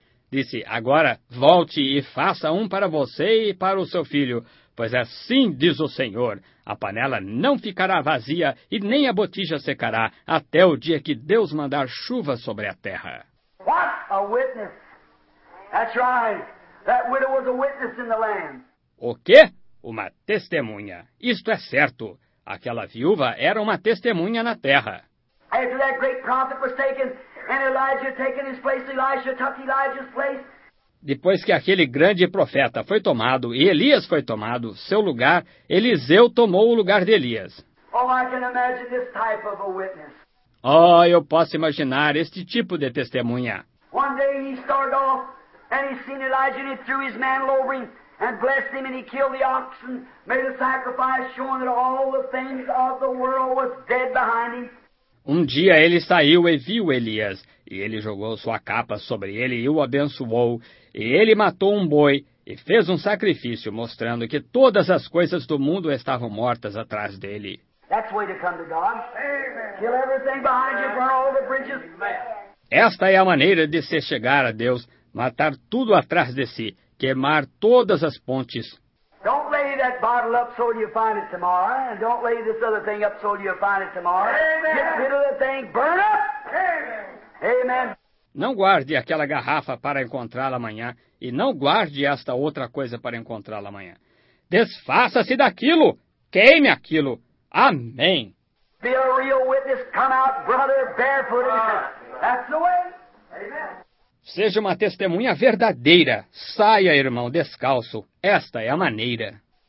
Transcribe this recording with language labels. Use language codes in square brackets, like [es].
[pt] Disse, agora volte e faça um para você e para o seu filho, pois assim diz o Senhor, a panela não ficará vazia e nem a botija secará até o dia que Deus mandar chuva sobre a terra. [en] What a witness! That's right. That widow was a witness in the land. [pt] O quê? Uma testemunha. Isto é certo. Aquela viúva era uma testemunha na terra. [en] After that great prophet was taken, and Elijah taken his place, Elijah took Elijah's place. [pt] Depois que aquele grande profeta foi tomado e Elias foi tomado, seu lugar, Eliseu tomou o lugar de Elias. [en] Oh, I can imagine this type of a witness. [pt] Oh, eu posso imaginar este tipo de testemunha. [en] One day he started off and he seen Elijah and he threw his mantle over him and blessed him and he killed the oxen, made a sacrifice showing that all the things of the world was dead behind him. [pt] Um dia ele saiu e viu Elias, e ele jogou sua capa sobre ele e o abençoou, e ele matou um boi e fez um sacrifício, mostrando que todas as coisas do mundo estavam mortas atrás dele. [en] That's way to come to God. Amen. Kill everything behind you, burn all the bridges. [pt] Esta é a maneira de se chegar a Deus, matar tudo atrás de si, queimar todas as pontes. [en] Don't lay that bottle up so you find it tomorrow, and don't lay this other thing up so you find it tomorrow. Amen. Get rid of the thing, burn up. Amen. Amen. [pt] Não guarde aquela garrafa para encontrá-la amanhã, e não guarde esta outra coisa para encontrá-la amanhã. Desfaça-se daquilo, queime aquilo. Amém. [en] Be a real witness, come out, brother, barefoot. That's the way. Amen. [pt] Seja uma testemunha verdadeira. Saia, irmão, descalço. Esta é a maneira.